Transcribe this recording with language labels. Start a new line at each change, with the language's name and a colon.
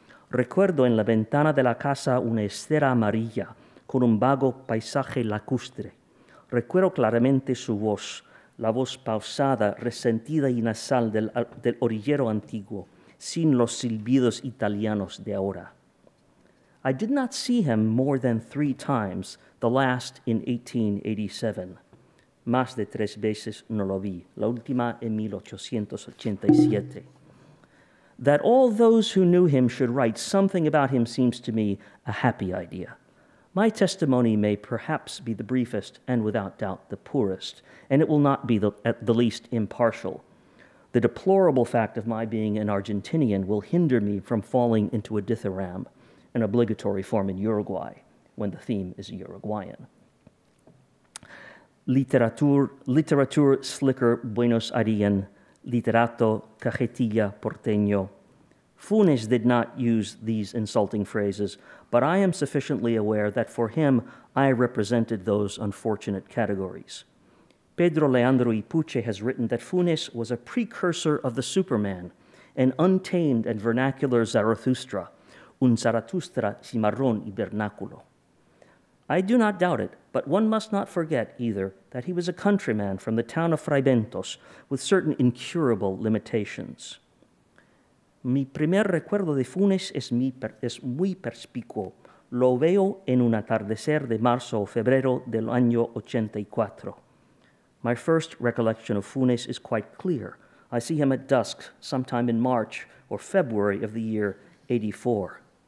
Spanish: Recuerdo en la ventana de la casa una estera amarilla con un vago paisaje lacustre. Recuerdo claramente su voz, la voz pausada, resentida y nasal del orillero antiguo, sin los silbidos italianos de ahora.
English: I did not see him more than three times, the last in 1887.
Spanish: Más de tres veces no lo vi, la última en 1887.
English: That all those who knew him should write something about him seems to me a happy idea. My testimony may perhaps be the briefest and without doubt the poorest, and it will not be at the least impartial. The deplorable fact of my being an Argentinian will hinder me from falling into a dithyramb, an obligatory form in Uruguay, when the theme is a Uruguayan. Literature slicker Buenos Aires,
Spanish: literato cajetilla porteño.
English: Funes did not use these insulting phrases, but I am sufficiently aware that for him, I represented those unfortunate categories. Pedro Leandro Ipuche has written that Funes was a precursor of the Superman, an untamed and vernacular Zarathustra,
Spanish: un Zarathustra cimarrón y vernáculo.
English: I do not doubt it, but one must not forget, either, that he was a countryman from the town of Fraibentos, with certain incurable limitations.
Spanish: Mi primer recuerdo de Funes es muy perspicuo. Lo veo en un atardecer de marzo o febrero del año 84.
English: My first recollection of Funes is quite clear. I see him at dusk, sometime in March or February of the year 84.